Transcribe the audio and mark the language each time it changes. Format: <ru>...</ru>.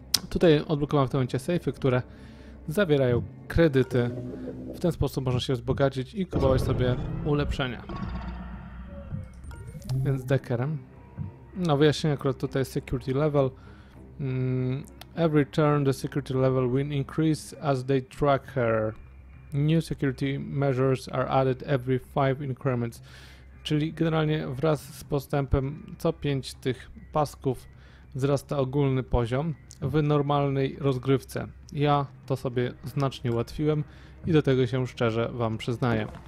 <pl>Tutaj odblokowałem w tym momencie sejfy, które zawierają kredyty. W ten sposób można się wzbogacić i kupować sobie ulepszenia. Więc dekerem. No wyjaśnienie akurat tutaj jest security level.</pl> <en>Every turn the security level will increase as they track her. New security measures are added every 5 increments.</en> <pl>Czyli generalnie wraz z postępem co 5 tych pasków wzrasta ogólny poziom w normalnej rozgrywce. Ja to sobie znacznie ułatwiłem i do tego się szczerze wam przyznaję.</pl>